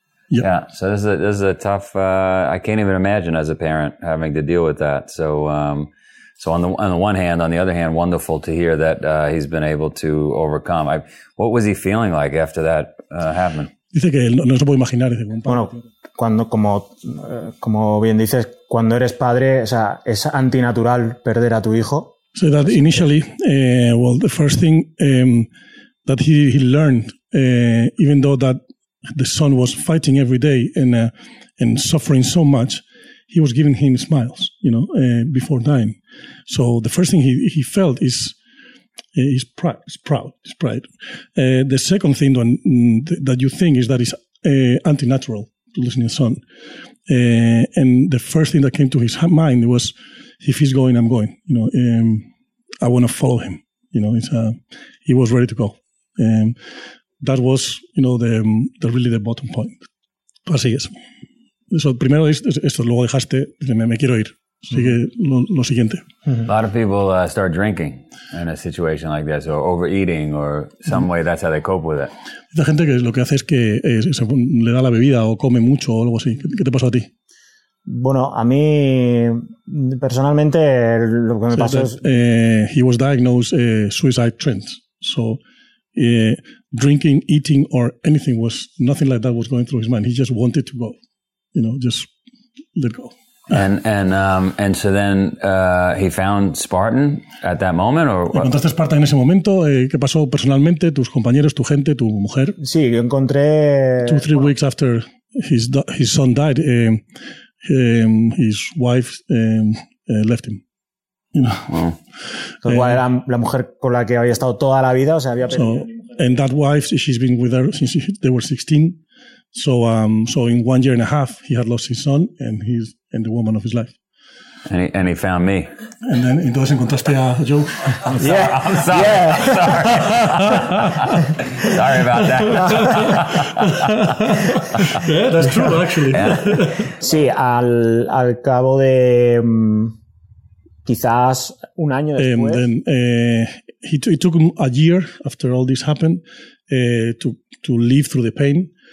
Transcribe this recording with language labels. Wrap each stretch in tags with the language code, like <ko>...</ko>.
<en>Yep. Yeah, so this is a tough. I can't even imagine as a parent having to deal with that. So, on the other hand, wonderful to hear that he's been able to overcome. What was he feeling like after that happened?</en> <es>Dice que no se puede imaginar. Dice, bueno, cuando como bien dices, cuando eres padre, o sea, es antinatural perder a tu hijo.</es> <en>So that initially, the first thing that he learned, even though that the son was fighting every day and suffering so much, he was giving him smiles, you know, before dying. So the first thing he felt is his pride. The second thing that you think is that it's anti-natural to lose your son. And the first thing that came to his mind was, if he's going, I'm going. You know, I want to follow him. You know, he was ready to go. That was, you know, the bottom point.</en> <es>Así es. So, primero esto, luego dejaste, me quiero ir. Sigue lo siguiente.</es> <en>A lot of people start drinking in a situation like this, or overeating, or some way, that's how they cope with it.</en> <es>La gente que lo que hace es que le da la bebida, o come mucho, o algo así. ¿Qué te pasó a ti? Bueno, a mí, personalmente, lo que me pasó es...</es> <en>He was diagnosed suicide trends. So... drinking, eating, or anything was nothing like that was going through his mind. He just wanted to go, you know, just let go. And so then he found Spartan at that moment, or what?</en> <es>¿Encontraste Spartan en ese momento? ¿Qué pasó personalmente? ¿Tus compañeros, tu gente, tu mujer? Sí, yo encontré...</es> <en>Two, three weeks after his son died, his wife left him. Wow.</en> <es>So, la mujer con la que había estado toda la vida, o sea, había</es> <en>so, and that wife, she's been with her since they were 16. So, so in 1 year and a half, he had lost his son and his and the woman of his life. And he found me. And then,</en> <es>entonces encontraste a Joe.</es> <en>I'm sorry. Yeah. Sorry about that. Yeah, that's true, actually. Yeah.</en> <es>Sí, al cabo de quizás un año después.</es> <en>Then, it took him a year after all this happened to live through the pain.</en>